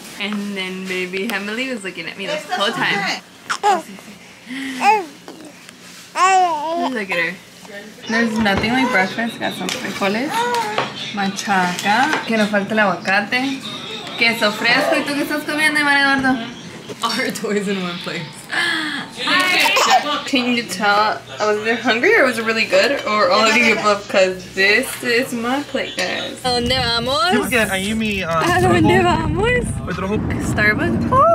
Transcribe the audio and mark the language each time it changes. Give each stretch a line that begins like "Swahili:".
English: And then baby Emily was looking at me the whole time. Look at her. There's nothing like breakfast. Got some frijoles, machaca.
Spanish: Que no falta el aguacate. Queso fresco, ¿y tú qué estás comiendo, María Eduardo?
English: All her toys in one place. Can you tell I was either hungry or was it really good or all of you above? Because this is my plate, guys.
Spanish: ¿Dónde vamos? ¿Dónde vamos? Starbucks?